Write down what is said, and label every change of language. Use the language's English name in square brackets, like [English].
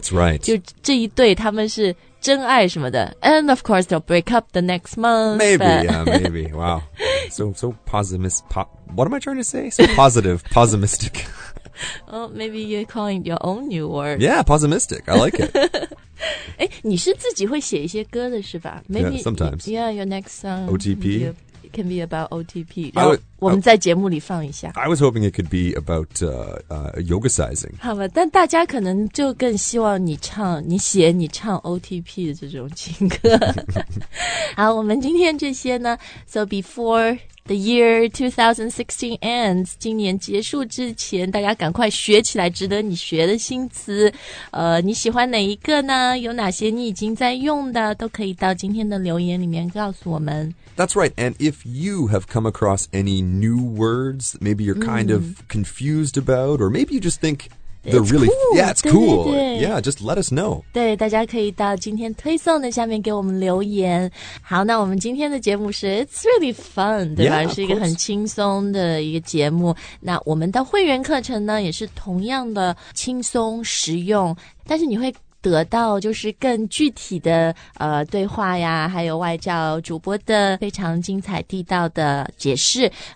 [English] That's right. [Chinese] 就这一对他们是真爱什么的 [English] And of course, they'll break up the next month. Maybe, yeah, maybe. Wow. So pessimistic. What am I trying to say? So positive, pessimistic. Well, maybe you're calling your own new word. Yeah, pessimistic. I like it. [Chinese] 哎，你是自己会写一些歌的是吧 [English] ？Maybe yeah, sometimes. Yeah, your next song OTP can be about OTP. [Chinese] 然后我们在节目里放一下。 [English] I was hoping it could be about yogicizing. [Chinese] 好吧，但大家可能就更希望你唱、你写、你唱 OTP 的这种情歌。好，我们今天这些呢 ， [English] So before. The year 2016 ends, [Chinese] 今年结束之前大家赶快学起来值得你学的新词。你喜欢哪一个呢？有哪些你已经在用的都可以到今天的留言里面告诉我们。 [English] That's right, and if you have come across any new words that maybe you're kind of confused about, or maybe you just think they're really, yeah, it's cool. [Chinese] 对对对 [English] yeah, just let us know. [Chinese] 对，大家可以到今天推送的下面给我们留言。好，那我们今天的节目是 [English] It's really fun, [Chinese] 对吧？ [English] Yeah, [Chinese] 是一个很轻松的一个节目。那我们的会员课程呢，也是同样的轻松实用，但是你会得到就是更具体的对话呀，还有外教主播的非常精彩地道的解释。